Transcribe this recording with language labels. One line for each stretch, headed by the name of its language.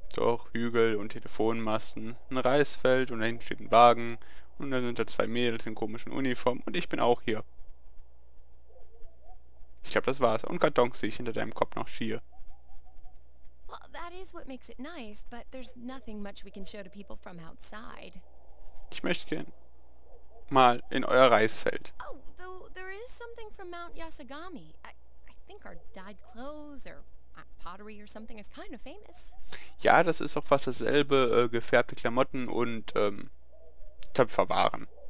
German: Doch, Hügel und Telefonmasten, ein Reisfeld und dahinten steht ein Wagen und dann sind da zwei Mädels in komischen Uniformen und ich bin auch hier. Ich glaube, das war's. Und Kartons sehe ich hinter deinem Kopf noch schier.
English: Well, that is what makes it nice, but there's nothing much we can show to people from outside.
German: Ich möchte gehen. Mal in euer Reisfeld.
English: Oh, though there is something from Mount Yasagami. I think our dyed clothes or pottery or something is kind of famous.
German: Ja, das ist auch fast dasselbe, gefärbte Klamotten und Töpferwaren.